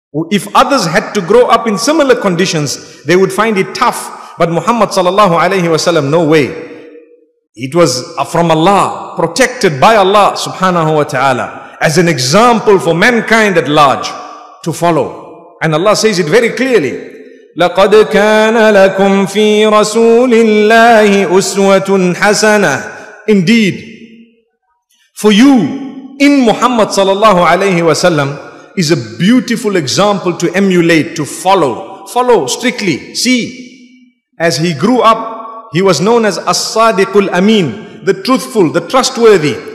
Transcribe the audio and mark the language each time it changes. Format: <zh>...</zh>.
<en>If others had to grow up in similar conditions, they would find it tough. But Muhammad sallallahu alayhi wa sallam, no way. It was from Allah, protected by Allah subhanahu wa ta'ala, as an example for mankind at large to follow. And Allah says it very clearly.</en> <ar>لَقَدْ كَانَ لَكُمْ فِي رَسُولِ اللَّهِ أُسْوَةٌ حَسَنَةٌ.</ar> <en>Indeed, For you, in Muhammad sallallahu alayhi wa sallam, is a beautiful example to emulate, to follow. Follow strictly. See, as he grew up, he was known as As-Sadiqul Amin, the truthful, the trustworthy.</en>